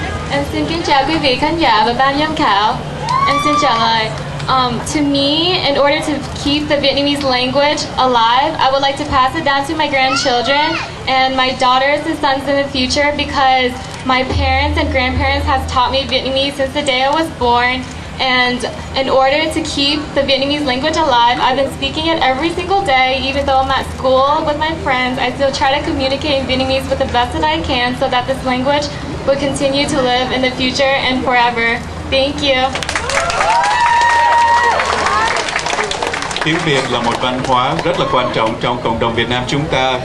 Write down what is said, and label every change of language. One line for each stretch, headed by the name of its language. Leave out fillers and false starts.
Vietnamese: Em xin kính chào quý vị khán giả và ban giám khảo. Em xin trả lời.
English: To me, in order to keep the Vietnamese language alive, I would like to pass it down to my grandchildren and my daughters and sons in the future, because my parents and grandparents have taught me Vietnamese since the day I was born. And in order to keep the Vietnamese language alive, I've been speaking it every single day. Even though I'm at school with my friends, I still try to communicate in Vietnamese with the best that I can so that this language will continue to live in the future and forever. Thank you.
Vietnamese: Tiếng Việt là một văn hóa rất là quan trọng trong cộng đồng Việt Nam chúng ta.